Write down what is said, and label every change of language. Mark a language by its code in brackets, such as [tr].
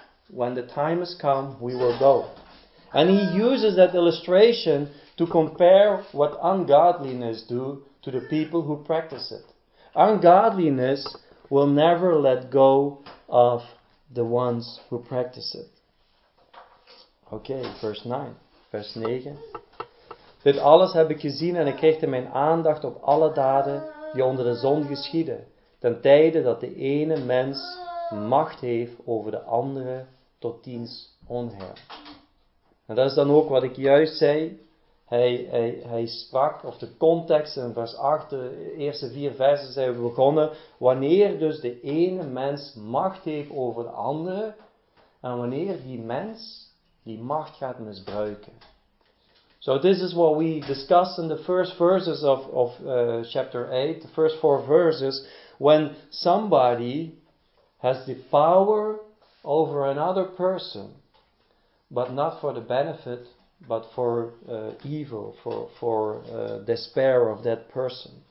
[en] When the time has come, we will go. And he uses that illustration to compare what ungodliness do to the people who practice it. Ungodliness will never let go of the ones who practice it. Okay, verse 9. [nl] Dit alles heb ik gezien en ik richtte mijn aandacht op alle daden die onder de zon geschieden, ten tijde dat de ene mens macht heeft over de andere tot diens onheil. En dat is dan ook wat ik juist zei. Hij sprak, of de context in vers 8, de eerste vier versen zijn we begonnen. Wanneer dus de ene mens macht heeft over de andere, en wanneer die mens die macht gaat misbruiken. [en] So this is what we discussed in the first verses of chapter 8, the first four verses, when somebody has the power over another person, but not for the benefit, but for evil, for despair of that person.